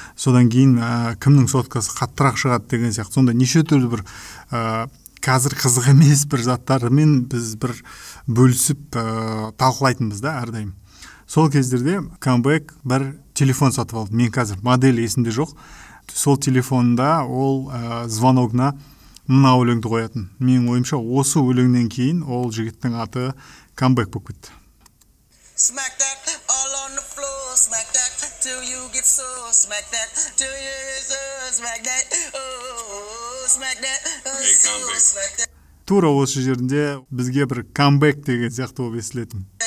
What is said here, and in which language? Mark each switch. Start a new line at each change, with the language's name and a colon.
Kazakh: Содан кейін кімнің соткасы қаттырақ шығады деген сияқты. Сонда неше түрлі бір қазір қызық емес бір заттармен біз бір бөлісіп талқылайтынбыз да әрдайым. Сол кездерде камбэк бір телефон сатып алды. Мен қазір модель есімде жоқ. Сол телефонда ол звоногына мына өлеңді қоятын. Мен ойымша осы өлеңнен кейін ол жігіттің аты камбэк болып кетті.
English: Smack that all on the floor, smack that till you get sore, smack that till you get sore, smack that, smack that, smack that.
Kazakh: Тура осы жерінде бізге бір камбэк деген сияқты болып естілетін.